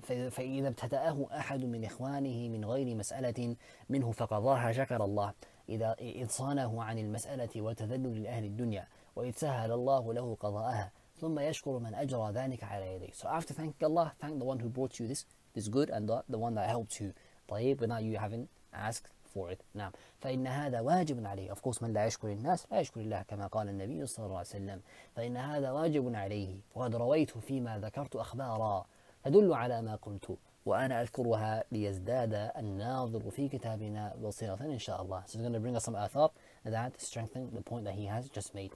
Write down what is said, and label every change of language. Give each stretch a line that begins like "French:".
Arabic: فإذا ابتدأه أحد من إخوانه من غير مسألة منه فقضاها شكر الله. إذا إصانه عن المسألة وتذلل لأهل الدنيا وإذ سهل الله له قضاءها ثم يشكر من أجرى ذلك على يديه.
English: So after thanking Allah, thank the one who brought you this good and the one that helped you.
Arabic: طيب.
English: Without you having asked for it.
Arabic: نعم. فإن هذا واجب عليه.
English: Of course,
Arabic: من لا يشكر الناس لا يشكر الله كما قال النبي صلى الله عليه وسلم. فإن هذا واجب عليه وقد رويته فيما ذكرت أخبارا تدل على ما قلت وأنا أذكرها ليزداد الناظر في كتابنا بصيرة إن شاء الله.
English: So he's going to bring us some آثار that strengthen the point that he has just made.